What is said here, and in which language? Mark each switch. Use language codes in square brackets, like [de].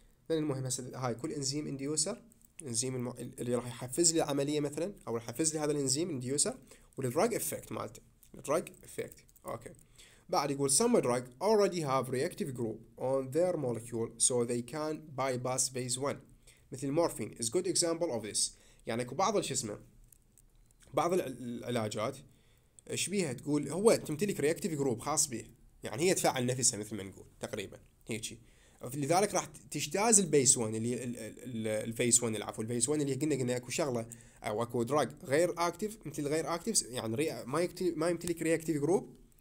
[ar] لان المهم هسه هاي كل انزيم انديوسر، انزيم اللي راح يحفز لي العمليه مثلا، او يحفز لي هذا الانزيم انديوسر، والدرج افكت مالته الدرج افكت. [en] Okay, بعد يقول some drug already have reactive group on their molecule so they can bypass phase 1. مثل morphine is good example of this. [ar] يعني اكو بعض الشسمه، بعض العلاجات شبيهة تقول هو تمتلك reactive group خاص به، يعني هي تفعل نفسها مثل ما نقول تقريبا هيك. لذلك راح تجتاز البيس 1 اللي الفيس 1 العفو الفيس 1 اللي قلنا اكو شغله او اكو دراج غير اكتف مثل غير اكتف يعني ما يمتلك رياكتيف جروب.